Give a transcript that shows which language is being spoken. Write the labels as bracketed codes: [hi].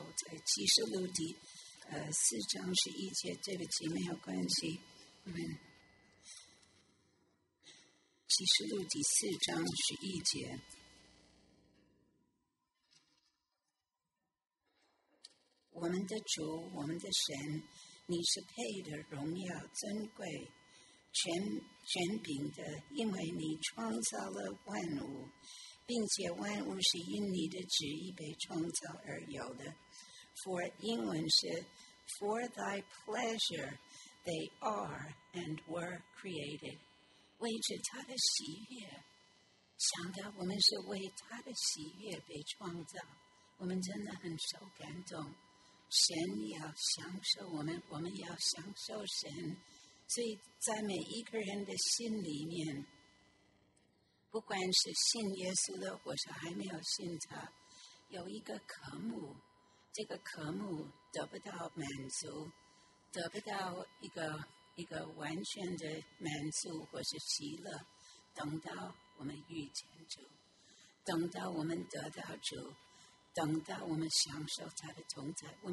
[zh] 在启示录第四章十一节，对不起，没有关系，启示录第四章十一节，我们的主，我们的神，你是配得荣耀尊贵全凭的，因为你创造了万物，并且万物是因你的旨意被创造而有的。 [en] For [zh] 英文是 [en] For thy pleasure they are and were created， [zh] 为着他的喜悦。想到我们是为他的喜悦被创造，我们真的很受感动。神要享受我们，我们要享受神。所以在每一个人的心里面，不管是信耶稣的或是还没有信他，有一个渴慕，这个渴慕得不到满足，得不到一个完全的满足或是喜乐，等到我们遇见主，等到我们得到主，等到我们享受他的同在。